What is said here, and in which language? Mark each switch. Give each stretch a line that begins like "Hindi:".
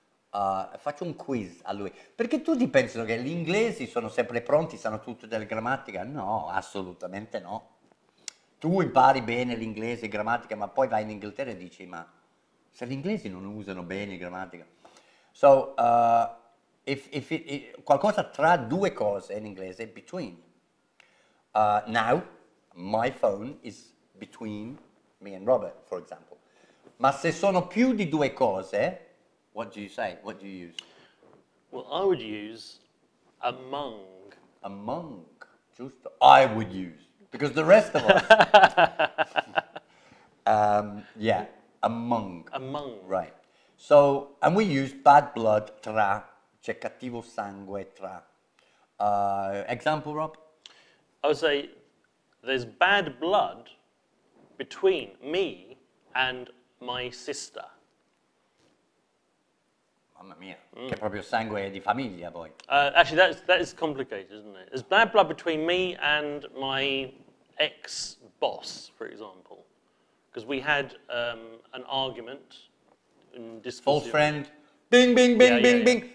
Italian: Faccio un quiz a lui. Perché tutti pensano che gli inglesi sono sempre pronti, sanno tutto della grammatica? No, assolutamente no. Tu impari bene l'inglese e grammatica, ma poi vai in Inghilterra e dici, ma se gli inglesi non usano bene grammatica.
English: So, if
Italian: qualcosa tra due cose in inglese, between.
English: Now, my phone is between me and Robert, for example.
Italian: Ma se sono più di due cose,
English: what do you say? What do you use? Well, I would use among. Among.
Italian: Giusto.
English: I would use. Because the rest of us. Among. Among. Right. So, and we use bad blood tra.
Italian: C'è cattivo sangue tra.
English: Example,
Italian: Rob?
English: I would say there's bad blood between me and my sister.
Italian: Mamma mia, che proprio sangue di famiglia poi.
English: Actually, that is complicated, isn't it? There's bad blood between me and my ex-boss, for example. Because we had an argument. False friend. Bing, bing, bing, bing, bing.